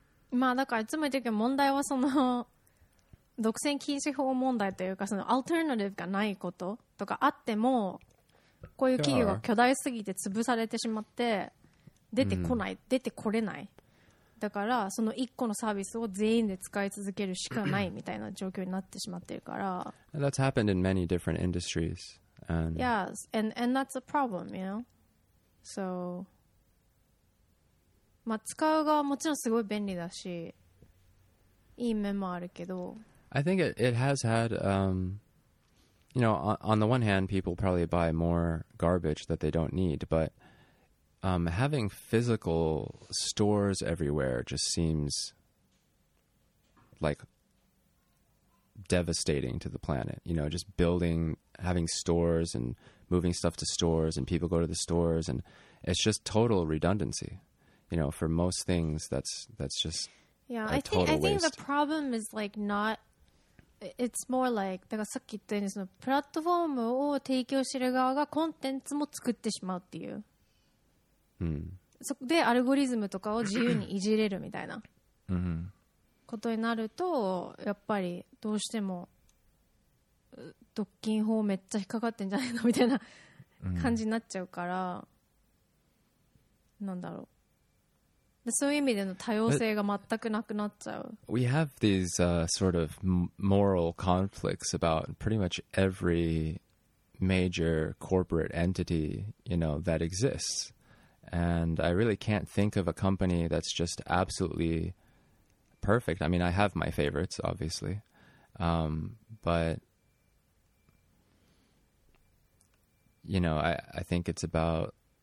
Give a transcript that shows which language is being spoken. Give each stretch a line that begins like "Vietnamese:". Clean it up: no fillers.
Japanese: まあだからいつも言ってるけど、問題はその独占禁止法問題というか、そのアルターナティブがないこととかあっても、こういう企業が巨大すぎて潰されてしまって出てこない、mm-hmm. 出てこれない、だからその一個のサービスを全員で使い続けるしかないみたいな状況になってしまってるから、
English: That's happened in many different industries and yes, and that's a problem, you know.
Japanese: So まあ使う側はもちろんすごい便利だしいい面もあるけど、
English: I think it has had, you know, on the one hand, people probably buy more garbage that they don't need, but having physical stores everywhere just seems like devastating to the planet. You know, just building, having stores and moving stuff to stores and people go to the stores, and it's just total redundancy, you know, for most things that's just a total waste. Yeah, I think the problem is like not It's more like
Japanese: だからさっき言ったようにそのプラットフォームを提供している側がコンテンツも作ってしまうっていう、うん、そこでアルゴリズムとかを自由にいじれるみたいなことになるとやっぱりどうしても独禁法めっちゃ引っかかってんじゃないのみたいな感じになっちゃうから、うん、なんだろう、そういう意味での多様性が全くなくなっちゃう。
English: But、we have these、sort of moral conflicts about pretty much every major corporate entity, you know, that exists. And I really can't think of a company that's just absolutely perfect. I mean, I have my favorites, obviously. But, you know, I think it's about...